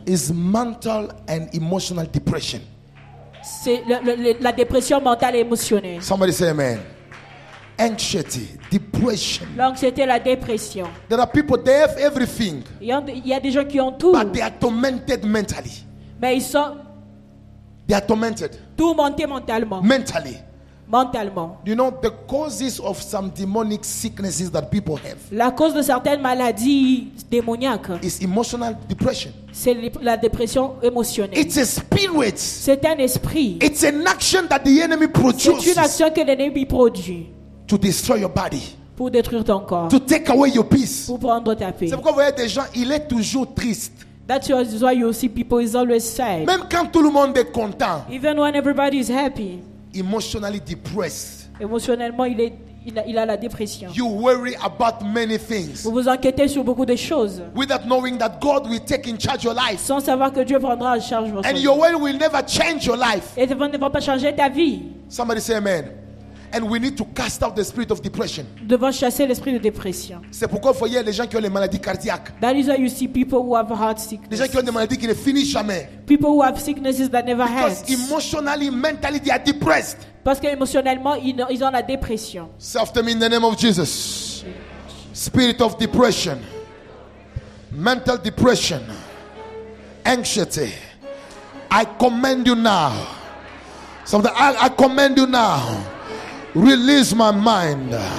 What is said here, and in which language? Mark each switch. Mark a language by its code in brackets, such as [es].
[en] Is mental and emotional depression. [fr] C'est la dépression mentale et émotionnelle. [en] Somebody say amen. Anxiety, depression. [fr] L'anxiété, la dépression. [en] There are people, they have everything. [fr] Il y a des gens qui ont tout. [en] But they are tormented mentally. [fr] Mais ils sont. [en] They are tormented. [fr] Tourmentés mentalement. [en] Mentally. [fr] Mentalement. [en] You know the causes of some demonic sicknesses that people have. [fr] La cause de certaines maladies démoniaques. [en] Is emotional depression. [fr] C'est la dépression émotionnelle. [en] It's a spirit. [fr] C'est un esprit. [en] It's an action that the enemy produces. [fr] C'est une action que l'ennemi produit. [en] To destroy your body. [fr] Pour détruire ton corps. [en] To take away your peace. [fr] Pour prendre ta paix. C'est pourquoi vous voyez des gens, il est toujours triste. [en] That's why you see people is always sad. [fr] Même quand tout le monde est content. [en] Even when everybody is happy. Emotionally depressed. [fr] Émotionnellement, il a la dépression. [en] You worry about many things. [fr] Vous vous inquiétez sur beaucoup de choses. [en] Without knowing that God will take in charge your life. [fr] Sans savoir que Dieu prendra en charge votre [en] vie. And your way will never change your life. [fr] Et ne va pas changer ta vie. [en] Somebody say amen. And we need to cast out the spirit of depression. [fr] Devons chasser l'esprit de dépression. C'est pourquoi vous voyez les gens qui ont les maladies cardiaques. [en] That is why you see people who have heart sickness. [fr] Les gens qui ont des maladies qui ne finissent jamais. [en] People who have sicknesses that never end. Because emotionally, mentally, they are depressed. [fr] Parce qu'émotionnellement, ils ont la dépression. [en] Say after me in the name of Jesus. Spirit of depression, mental depression, anxiety. I command you now. I command you now. Release my mind.